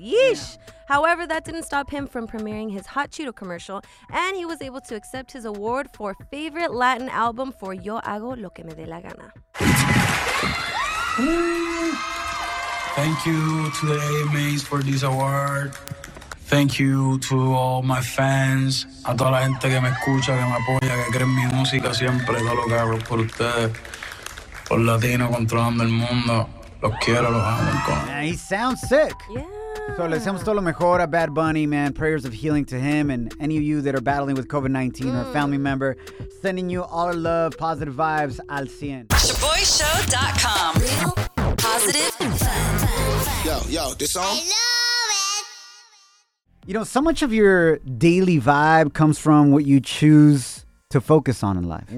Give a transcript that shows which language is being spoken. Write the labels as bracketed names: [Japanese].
[English] Yeesh. Yeah. However, that didn't stop him from premiering his Hot Cheeto commercial, and he was able to accept his award for Favorite Latin Album for Yo Hago Lo Que Me De La Gana. Thank you to the AMAs for this award. Thank you to all my fans. [Spanish] A toda la gente que me escucha, que me apoya, que cree en mi música siempre. Todo lo que hablo por ustedes. Por Latino controlando el mundo. Los quiero, los amo. [English] Yeah, he sounds sick. Yeah. [Spanish] So, le deseamos todo lo mejor a Bad Bunny, man. [English] Prayers of healing to him and any of you that are battling with COVID-19 or a family member. Sending you all our love, positive vibes, [Spanish] al 100. [English] ShaboyShow.com. Positive. Yo, this song? I love it. You know, so much of your daily vibe comes from what you choose to focus on in life.